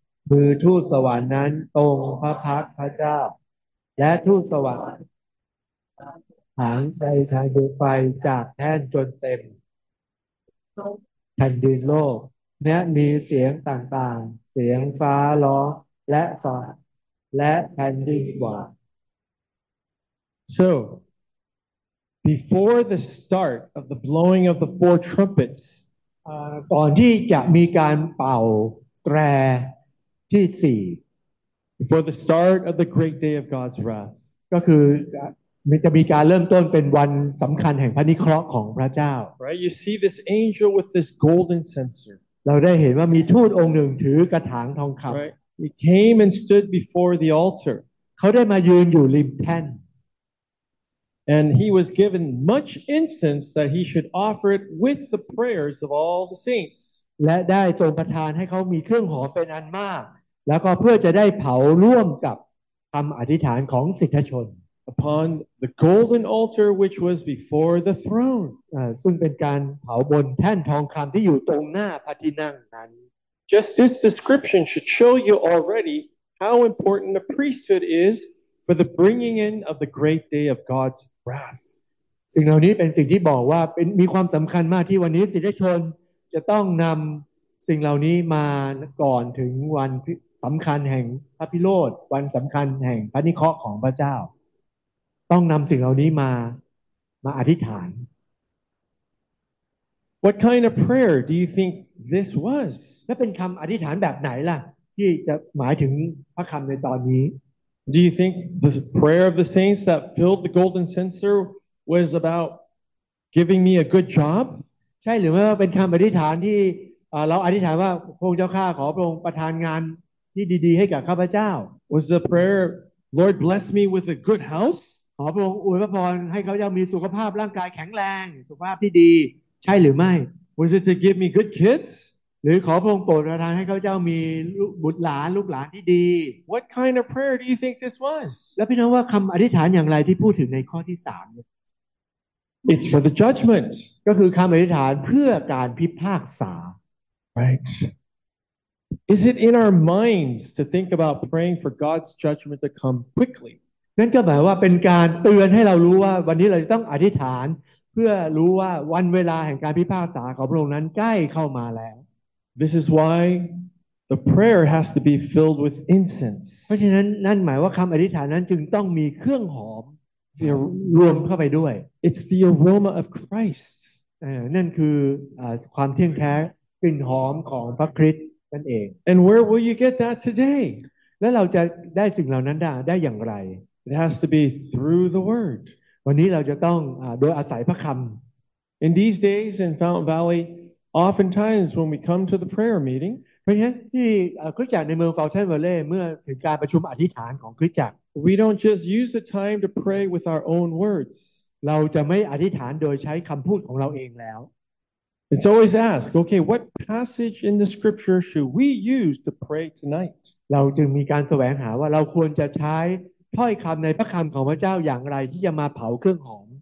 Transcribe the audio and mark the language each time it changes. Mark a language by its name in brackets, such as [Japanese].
[Thai] มือทูตสวรรค์นั้นตรงพระพักพระเจ้าและทูตสวรรค์หางใจทางดูไฟจากแท่นจนเต็มแผ่นดินโลกและมีเสียงต่างๆเสียงฟ้าร้องและฝนและแผ่นดินหวั่น [English] So, before the start of the blowing of the four trumpets, [Thai] ก่อนที่จะมีการเป่าตรแที่สี่ [English] before the start of the great day of God's wrath, [Thai] ก็คือมันจะมีการเริ่มต้นเป็นวันสำคัญแห่งพระนิเคราะห์ของพระเจ้า [English] Right, you see this angel with this golden censer. [Thai] เราได้เห็นว่ามีทูตองค์หนึ่งถือกระถางทองคำ [English] He came and stood before the altar. [Thai] เขาได้มายืนอยู่ริมแท่น [English] And he was given much incense that he should offer it with the prayers of all the saints. [Thai] และได้ทรงประทานให้เขามีเครื่องหอมเป็นอันมากแล้วก็เพื่อจะได้เผาร่วมกับคำอธิษฐานของสิทธชน [English] Upon the golden altar which was before the throne. [Thai] ซึ่งเป็นการเผาบนแท่นทองคำที่อยู่ตรงหน้าพระที่นั่งนั้น [English] Just this description should show you already how important the priesthood is for the bringing in of the great day of God's wrath. [Thai] สิ่งเหล่านี้เป็นสิ่งที่บอกว่าเป็นมีความสำคัญมากที่วันนี้สิทธชนจะต้องนำสิ่งเหล่านี้มาก่อนถึงวันสำคัญแห่งพระพิโรธวันสำคัญแห่งพระนิเคราะห์ของพระเจ้าต้องนำสิ่งเหล่านี้มาอธิษฐาน [English] What kind of prayer do you think this was? [Thai] และเป็นคำอธิษฐานแบบไหนล่ะที่จะหมายถึงพระคำในตอนนี้ [English] Do you think the prayer of the saints that filled the golden censer was about giving me a good job? [Thai] ใช่หรือว่าเป็นคำอธิษฐานที่เราอธิษฐานว่าพระองค์เจ้าข้าขอพระองค์ประทานงานที่ดีๆให้กับข้าพเจ้า [English] Was the prayer Lord bless me with a good house [Thai] ขอพระองค์อวยพรให้ข้าพเจ้ามีสุขภาพร่างกายแข็งแรงสุขภาพที่ดีใช่หรือไม่ [English] Was it to give me good kids [Thai] หรือขอพระองค์โปรดประทานให้ข้าพเจ้ามีบุตรหลานลูกหลานที่ดี [English] What kind of prayer do you think this was [Thai] แล้วพี่น้องว่าคำอธิษฐานอย่างไรที่พูดถึงในข้อที่3 [English] It's for the judgment [Thai] ก็คือคำอธิษฐานเพื่อการพิพากษา [English] Right. Is it in our minds to think about praying for God's judgment to come quickly? [Thai] นั่นก็หมายว่าเป็นการเตือนให้เรารู้ว่าวันนี้เราจะต้องอธิษฐานเพื่อรู้ว่าวันเวลาแห่งการพิพากษาของพระองค์นั้นใกล้เข้ามาแล้ว [English] This is why the prayer has to be filled with incense. [Thai] เพราะฉะนั้นนั่นหมายว่าคำอธิษฐานนั้นจึงต้องมีเครื่องหอมรวมเข้าไปด้วย [English] It's the aroma of Christ. [Thai] นั่นคือความเที่ยงแท้กลิ่นหอมของพระคริสต์นั่นเอง [English] And where will you get that today? [Thai] แล้วเราจะได้สิ่งเหล่านั้นได้อย่างไร [English] It has to be through the word. [Thai] วันนี้เราจะต้องโดยอาศัยพระคำ [English] In these days in Fountain Valley, oftentimes when we come to the prayer meeting, [Thai] เพราะฉะนั้นที่คริสตจักรในเมือง Fountain Valley เมื่อถึงการประชุมอธิษฐานของคริสตจักร [English] we don't just use the time to pray with our own words. [Thai] เราจะไม่อธิษฐานโดยใช้คำพูดของเราเองแล้ว [English] It's always asked, okay, what passage in the scripture should we use to pray tonight? [Thai] เราจึงมีการแสวงหาว่าเราควรจะใช้ถ้อยคำในพระคำของพระเจ้าอย่างไรที่จะมาเผาเครื่องหอม